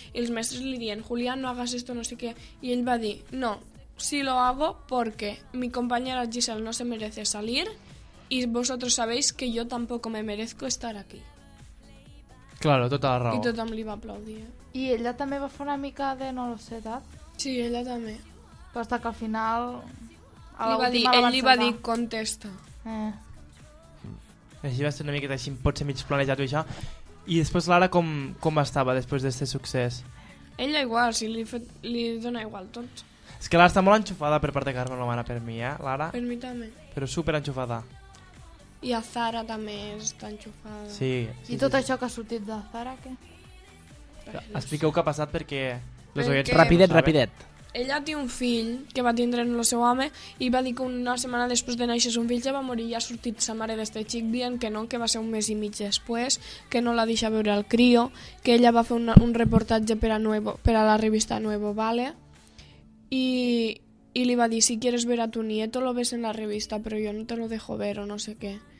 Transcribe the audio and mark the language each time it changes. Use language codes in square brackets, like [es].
[ca] I els mestres li diuen, Julián, [es] no hagas esto, [ca] no sé què. I ell va dir, [es] no, si lo hago, porque mi compañera Giselle no se merece salir y vosotros sabéis que yo tampoco me merezco estar aquí. [ca] Claro, tota la raó. I tothom li va aplaudir. I ella també va fer una mica de [es] no lo sé, [ca] tot? Sí, ella també. [es] Però hasta que al final... [ca] Ell li va dir, contesta. Així va ser una miqueta així, pot ser mig planejat o això. I després l'Ara com estava després d'aquest succés? Ella igual, si li dona igual tot. És que l'Ara està molt enxufada per part de Carme Lomana, per mi, l'Ara. Per mi també. Però super enxufada. I a Zara també està enxufada. Sí. I tot això que ha sortit de Zara, què? Expliqueu què ha passat perquè... Rapidet. Ella té un fill que va tindre en el seu home i va dir que una setmana després de néixer un fill ja va morir i ha sortit sa mare d'este xic dient que no, que va ser un mes i mig després, que no la deixa veure el crio, que ella va fer un reportatge per a la revista Nuevo Vale i li va dir, [es] si quieres ver a tu nieto lo ves en la revista, [ca] però jo [es] no te lo dejo ver [ca] o no sé què.